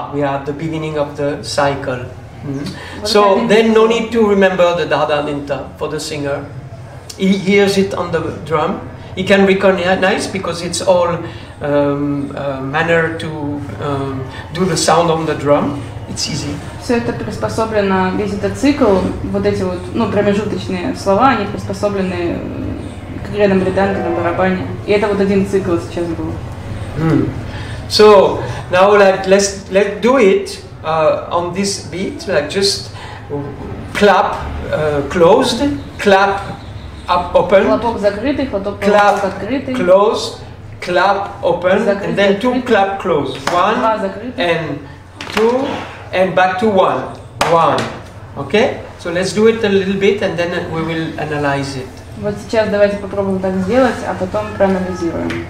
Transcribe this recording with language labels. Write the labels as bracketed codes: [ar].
[en] We are at the beginning of the cycle. So then no need to remember the dha dha din ta for the singer. He hears it on the drum. He can recognize because it's all manner to do the sound on the drum. It's easy. [ru] Все это приспособлено, весь этот цикл, вот эти вот, ну, промежуточные слова, они приспособлены к игре на бриданке, на барабане. И это вот один цикл сейчас был. [en] So, now let's do it on this beat, like just clap closed, clap up open. [ru] Хлопок закрытый, хлопок открытый. [en] Closed, clap open, and then two clap closed. One, and two. And back to one. Okay? So let's do it a little bit and then we will analyze it. [ru] Вот сейчас давайте попробуем так сделать, а потом проанализируем.